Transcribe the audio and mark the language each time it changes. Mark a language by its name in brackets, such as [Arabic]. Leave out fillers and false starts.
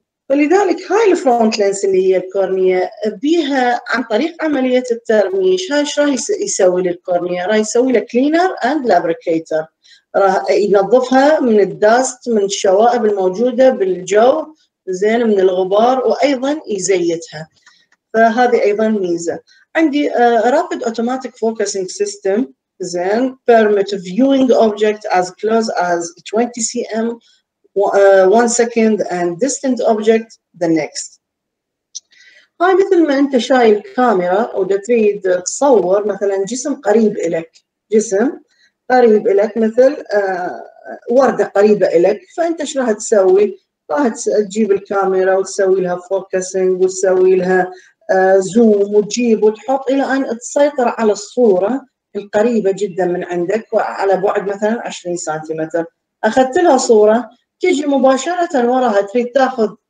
[Arabic] ولذلك هاي الفرونت لينز اللي هي الكورنيا بيها عن طريق عملية الترميش، هاي شو راح يسوي للكورنيا؟ راح يسوي لها كلينر أند لابريكيتر، راح ينظفها من الداست من الشوائب الموجودة بالجو زين من الغبار، وأيضا يزيتها، فهذه أيضا ميزة. [English] عندي rapid automatic focusing system زين، permit viewing object as close as 20 cm one second and distant object the next. [Arabic] هاي مثل ما انت شايل كاميرا وتريد تصور مثلا جسم قريب لك، جسم قريب لك مثل وردة قريبة لك، فانت ايش راح تسوي؟ راح تجيب الكاميرا وتسوي لها focusing وتسوي لها زوم وتجيب وتحط الى ان تسيطر على الصورة القريبة جدا من عندك وعلى بعد مثلا 20 سنتيمتر، أخذت لها صورة تجي مباشرة وراها تريد تاخذ